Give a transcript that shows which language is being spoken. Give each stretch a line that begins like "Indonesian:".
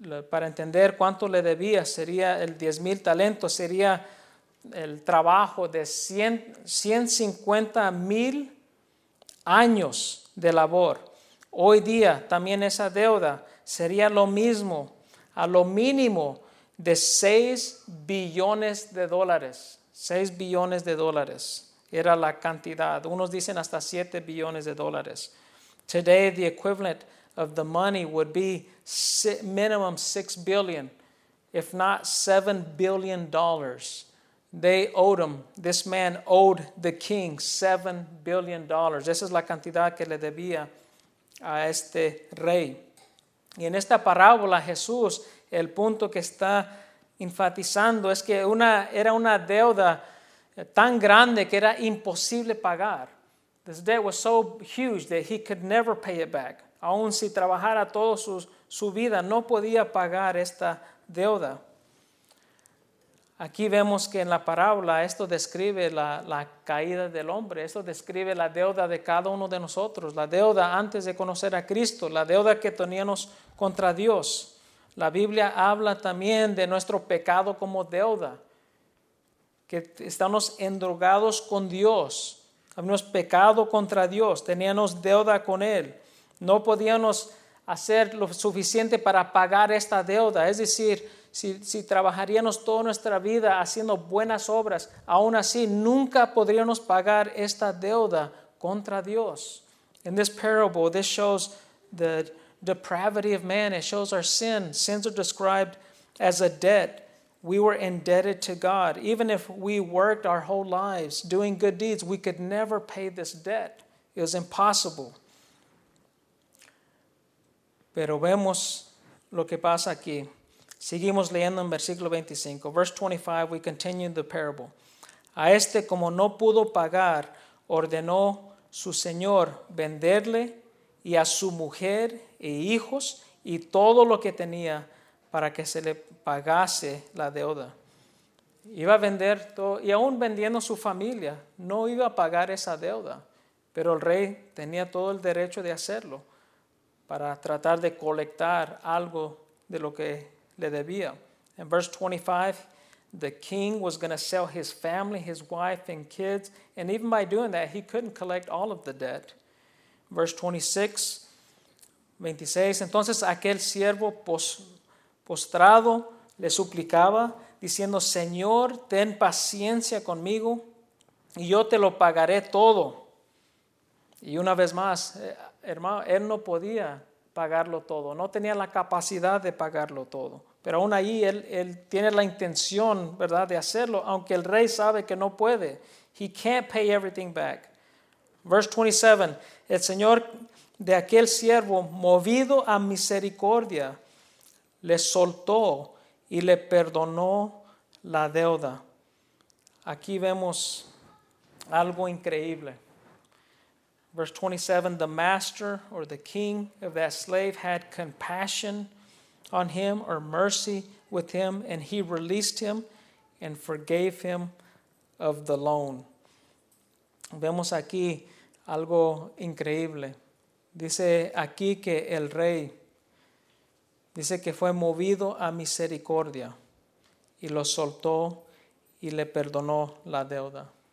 Spanish: Para entender cuánto le debía, sería el 10,000 talentos, sería el trabajo de 150,000 años de labor. Hoy día, también esa deuda sería lo mismo, a lo mínimo, de $6 billones. $6 billones era la cantidad. Unos dicen hasta $7 billones.
English: Today, the equivalent of the money would be minimum $6 billion, if not $7 billion. They owed him, this man owed the king $7 billion.
Spanish: Esa es la cantidad que le debía a este rey. Y en esta parábola, Jesús, el punto que está enfatizando es que era una deuda tan grande que era imposible pagar.
English: This debt was so huge that he could never pay it back.
Spanish: Aun si trabajara toda su vida, no podía pagar esta deuda. Aquí vemos que en la parábola esto describe la caída del hombre. Esto describe la deuda de cada uno de nosotros. La deuda antes de conocer a Cristo. La deuda que teníamos contra Dios. La Biblia habla también de nuestro pecado como deuda. Que estamos endeudados con Dios. Habíamos pecado contra Dios. Teníamos deuda con Él. No podíamos hacer lo suficiente para pagar esta deuda. Es decir, si trabajaríamos toda nuestra vida haciendo buenas obras, aún así nunca podríamos pagar esta deuda contra Dios.
English: In this parable, this shows the depravity of man. It shows our sin. Sins are described as a debt. We were indebted to God. Even if we worked our whole lives doing good deeds, we could never pay this debt. It was impossible.
Spanish: Pero vemos lo que pasa aquí. Seguimos leyendo en versículo 25.
English: Verse 25, we continue the parable.
Spanish: A este, como no pudo pagar, ordenó su señor venderle y a su mujer e hijos y todo lo que tenía para que se le pagase la deuda. Iba a vender todo, y aún vendiendo su familia, no iba a pagar esa deuda. Pero el rey tenía todo el derecho de hacerlo para tratar de colectar algo de lo que le debía.
English: In verse 25, the king was going to sell his family, his wife and kids, and even by doing that, he couldn't collect all of the debt. Verse 26,
Spanish: entonces aquel siervo postrado le suplicaba, diciendo, Señor, ten paciencia conmigo, y yo te lo pagaré todo. Y una vez más, hermano, él no podía pagarlo todo, no tenía la capacidad de pagarlo todo. Pero aún ahí él tiene la intención, ¿verdad?, de hacerlo, aunque el rey sabe que no puede.
English: He can't pay everything back. Verse 27,
Spanish: el señor de aquel siervo, movido a misericordia, le soltó y le perdonó la deuda. Aquí vemos algo increíble.
English: Verse 27, the master or the king of that slave had compassion on him or mercy with him, and he released him and forgave him of the loan.
Spanish: Vemos aquí algo increíble. Dice aquí que el rey Dice que fue movido a misericordia y lo soltó y le perdonó la deuda.